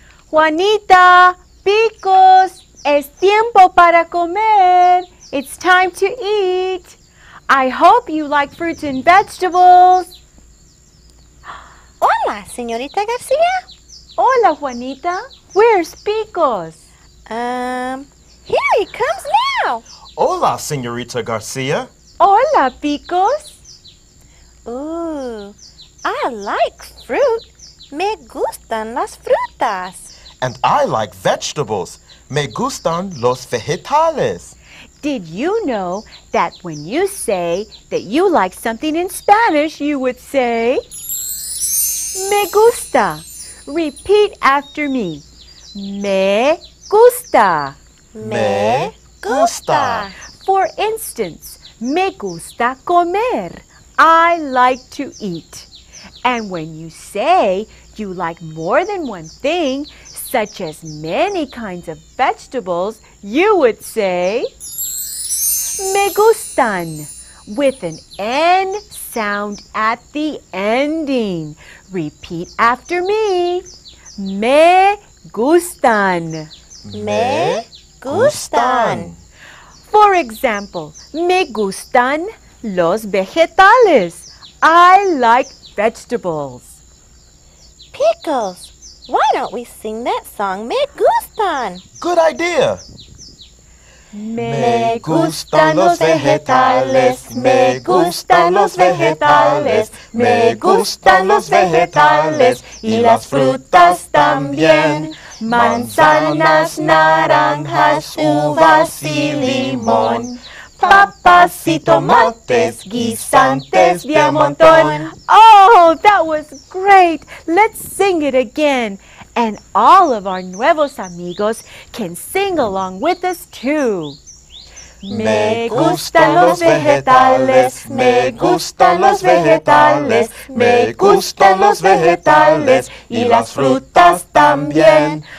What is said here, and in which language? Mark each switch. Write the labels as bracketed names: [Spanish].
[Spanish] Juanita, Picos, es tiempo para comer. [English] It's time to eat. I hope you like fruits and vegetables. [Spanish] Hola, Señorita Garcia. Hola, Juanita. [English] Where's Picos? Here he comes now. now. [Spanish] Hola, Señorita Garcia. Hola, Picos. [English] Ooh, I like fruit. [Spanish] Me gustan las frutas. [English] And I like vegetables. [Spanish] Me gustan los vegetales. [English] Did you know that when you say that you like something in Spanish, you would say, [Spanish] me gusta. [English] Repeat after me. [Spanish] Me gusta. Me gusta. [English] For instance, [Spanish] me gusta comer. [English] I like to eat. And when you say you like more than one thing, such as many kinds of vegetables, you would say, [Spanish] me gustan, [English] with an N sound at the ending. Repeat after me. [Spanish] Me gustan. Me gustan. [English] For example, [Spanish] me gustan los vegetales. [English] I like vegetables. Picos, why don't we sing that song, Me Gustan? Good idea. [Spanish] Me gustan los vegetales, me gustan los vegetales, me gustan los vegetales y las frutas también. Manzanas, naranjas, uvas y limón. Papas y tomates, guisantes de a montón. [English] Oh, that was great. Let's sing it again. And all of our [Spanish] nuevos amigos [English] can sing along with us too. [Spanish] Me gustan los vegetales, me gustan los vegetales, me gustan los vegetales y las frutas también.